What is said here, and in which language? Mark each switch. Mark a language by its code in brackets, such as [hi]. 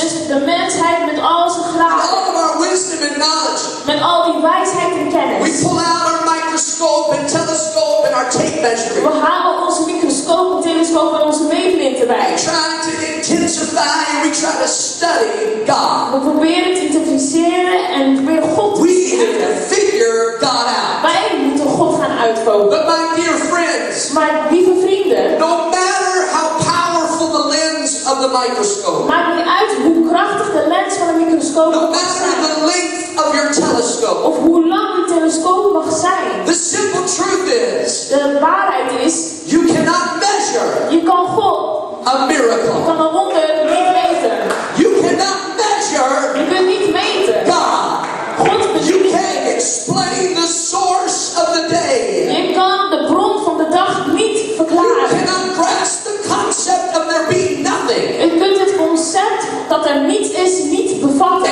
[nl] Dus de mensheid met al zijn graden. [en] All of our wisdom and knowledge. [nl] Met al die wijsheid en kennis. [en] We pull out our microscope and telescope and our tape measure. [nl] We halen onze microscoop en telescoop en onze meetlinten bij. [en] We try to intensify and we try to study God. [nl] We proberen te intensiveren en proberen God te zien. [en] We need to figure God out. [nl] Wij moeten God gaan uitvogelen. [en] But my dear friends. [nl] Maar lieve vrienden. [en] No matter how powerful the lens of the microscope. [nl] Maakt niet uit hoe krachtig de lens van de microscoop is. [en] No matter the length of your telescope. [nl] Of hoe lang de telescoop mag zijn. [en] The simple truth is. [nl] De waarheid is. [en] You cannot measure. [nl] Je kan God. [en] A miracle. [nl] Je kan een wonder niet meten. [en] You cannot measure. [nl] Je kunt niet meten. [en] God. [nl] God bedoelt. [en] You can't explain the source of the day. [nl] Je kan de bron van de dag niet verklaren. [en] You cannot grasp the concept of there being nothing. [nl] Je kunt het concept dat er niets is niet bevatten.